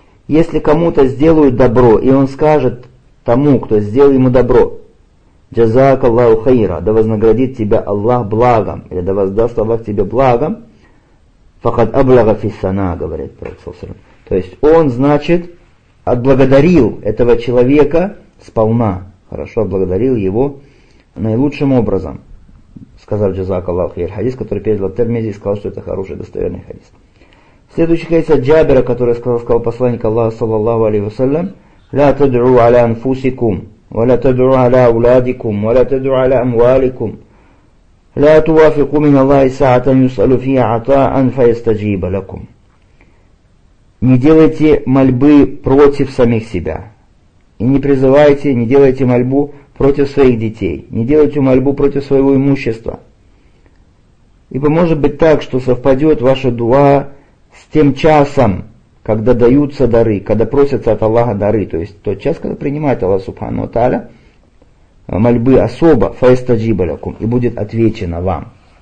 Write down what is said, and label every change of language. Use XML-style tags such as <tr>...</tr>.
<ru>Если кому-то сделают добро, и он скажет тому, кто сделал ему добро, «Джазак Аллаху хайра», «Да вознаградит тебя Аллах благом», или «Да воздаст Аллах тебе благом»,</ru> <ar>«Факад аблага фиссана»,</ar> <ru>говорит Пророк Саллаху алейхи ва саллям. То есть он, значит, отблагодарил этого человека сполна, хорошо отблагодарил его наилучшим образом, сказав «Джазак Аллаху хайра». Хадис, который передал Тирмизи, сказал, что это хороший, достоверный хадис. Следующий хадис от Джабира, который сказал посланник Аллаха, саллаллаху алейхи ва саллям,</ru> <ar>«Ля тадру аля анфусикум». ولا تدعوا على أولادكم ولا تدعوا على أموالكم لا توافقوا من الله ساعة يسأل فيها عطاء فيستجيب لكم.</ar> <ru>Не делайте мольбы против самих себя и не призывайте, не делайте мольбу против своих детей, не делайте мольбу против своего имущества, ибо может быть так, что совпадет ваша дуа с тем часом, когда даются дары, когда просятся от Аллаха дары, то есть тот час, когда принимает Аллах Субхану Тааля мольбы особо,</ru> <ar>фаистаджибалякум,</ar> <ru>и будет отвечено вам.</ru>